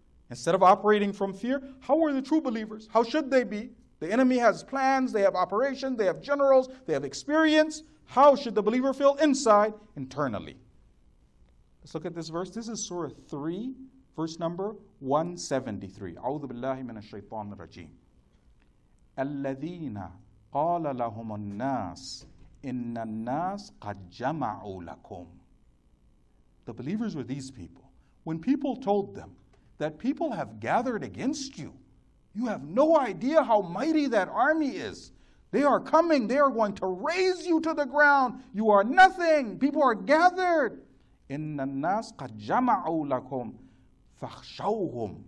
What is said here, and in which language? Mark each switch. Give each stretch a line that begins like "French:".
English: Instead of operating from fear, how are the true believers? How should they be? The enemy has plans, they have operations, they have generals, they have experience. How should the believer feel inside, internally? Let's look at this verse. This is Surah 3, verse number 173.
Arabic: أعوذ بالله من الشيطان الرجيم. الذين قال لهم الناس إن الناس قد جمعوا لكم.
English: The believers were these people. When people told them that people have gathered against you, you have no idea how mighty that army is. They are coming. They are going to raise you to the ground. You are nothing. People are gathered.
Arabic: إِنَّ النَّاسْ قَدْ جَمَعُوا لَكُمْ فَخْشَوْهُمْ.